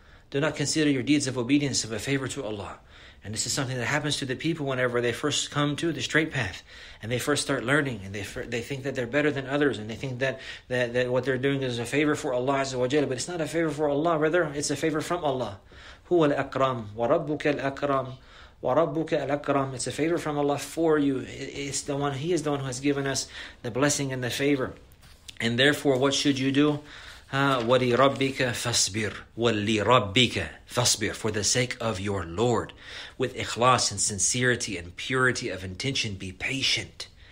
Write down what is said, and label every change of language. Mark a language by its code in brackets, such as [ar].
[en] Do not consider your deeds of obedience as a favor to Allah. And this is something that happens to the people whenever they first come to the straight path and they first start learning and they think that they're better than others and they think that what they're doing is a favor for Allah Azza wa Jalla. But it's not a favor for Allah, rather it's a favor from Allah. [ar] هو الأكرم وربك الأكرم وربك الأكرم. [en] It's a favor from Allah for you. It's the one, He is the one who has given us the blessing and the favor. And therefore, what should you do? [ar] وَلِرَبِّكَ فَاصْبِرْ وَلِرَبِّكَ فَاصْبِرْ. [en] For the sake of your Lord, with ikhlas and sincerity and purity of intention, be patient.